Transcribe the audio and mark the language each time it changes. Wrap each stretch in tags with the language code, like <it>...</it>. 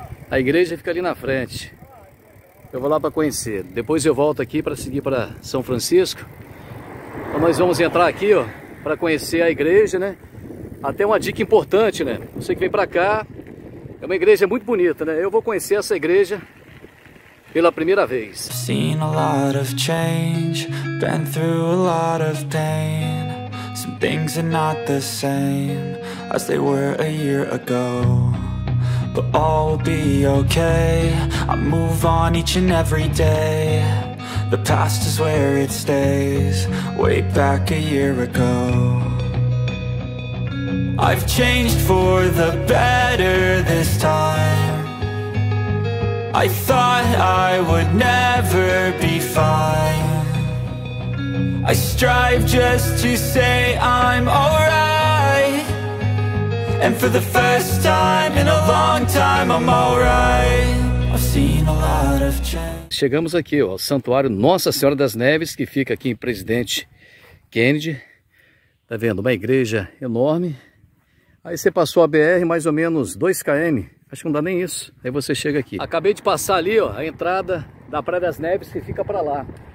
<pt>A igreja fica ali na frente. Eu vou lá para conhecer. Depois eu volto aqui para seguir para São Francisco. Então nós vamos entrar aqui, ó, para conhecer a igreja, né? Até uma dica importante, né? Você que vem para cá, é uma igreja muito bonita, né? Eu vou conhecer essa igreja pela primeira vez.</pt> <en>Seen a lot of change, been through a lot of pain. Some things are not the same as they were a year ago. But all will be okay, I move on each and every day. The past is where it stays, way back a year ago. I've changed for the better this time. I thought I would never be fine. I strive just to say I'm alright. And for the first time in a long time I'm alright. I've seen a lot of change.</en> <pt>Chegamos aqui, ó, ao Santuário Nossa Senhora das Neves, que fica aqui em Presidente Kennedy. Tá vendo? Uma igreja enorme. Aí você passou a BR mais ou menos 2 km, acho que não dá nem isso, aí você chega aqui. Acabei de passar ali, ó, a entrada da Praia das Neves, que fica para lá.</pt>